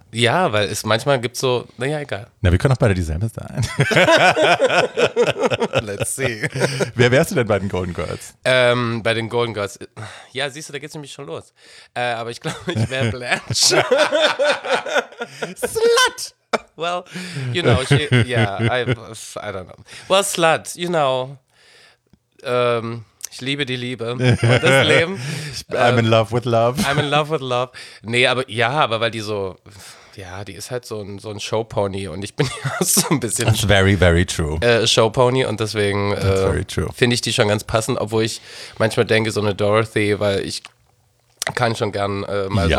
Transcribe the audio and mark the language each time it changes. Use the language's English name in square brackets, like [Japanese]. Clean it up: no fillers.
[German] Ja, weil es manchmal gibt so, naja, egal. Na, wir können auch beide dieselbe sein. [English] Let's see. [German] Wer wärst du denn bei den Golden Girls? Bei den Golden Girls, ja, siehst du, da geht's nämlich schon los. Aber ich glaube, ich wäre Blanche. [English] Slut! Well, you know, I don't know. Well, Slut, you know, [German] ich liebe die Liebe und das Leben. [English] I'm in love with love. I'm in love with love. [German] Nee, aber weil die so, Ja, die ist halt so ein Showpony und ich bin ja so ein bisschen... [English] That's very, very true. [German] Showpony und deswegen finde ich die schon ganz passend, obwohl ich manchmal denke, so eine Dorothy, weil ich kann schon gern mal ja.